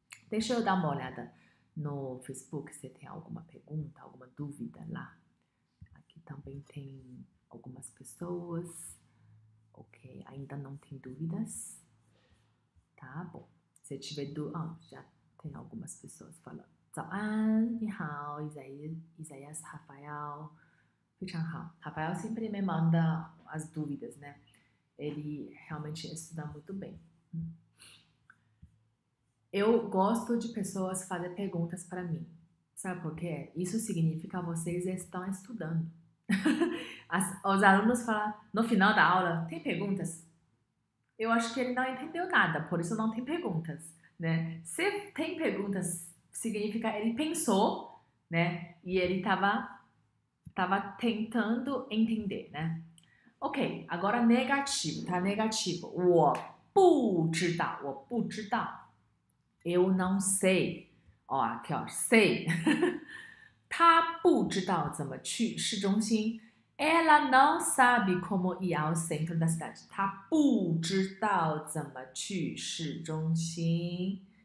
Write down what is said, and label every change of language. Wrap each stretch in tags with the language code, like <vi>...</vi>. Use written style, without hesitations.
<pt>Deixa eu dar uma olhada no Facebook, se tem alguma pergunta, alguma dúvida lá. Aqui também tem algumas pessoas. Ok, ainda não tem dúvidas. Tá bom. Se tiver dúvida, já tem algumas pessoas falando.</pt> <zh>早安，你好，Isaías Rafael，非常好。</zh> <pt>Rafael sempre me manda as dúvidas, né? Ele realmente estuda muito bem. Eu gosto de pessoas fazer perguntas para mim. Sabe por quê? Isso significa vocês estão estudando. Os alunos falam no final da aula, tem perguntas? Eu acho que ele não entendeu nada, por isso não tem perguntas, né? Se tem perguntas, significa ele pensou, né? E ele estava Tava tentando entender, né? Ok, agora negativo, tá negativo.</pt> <zh>我不知道。</zh> <pt>Eu não sei. Ó, aqui ó, sei.</pt> <zh>她不知道怎么去市中心。</zh> <pt>Ela não sabe como ir ao centro da cidade.</pt> <zh>她不知道怎么去市中心。</zh>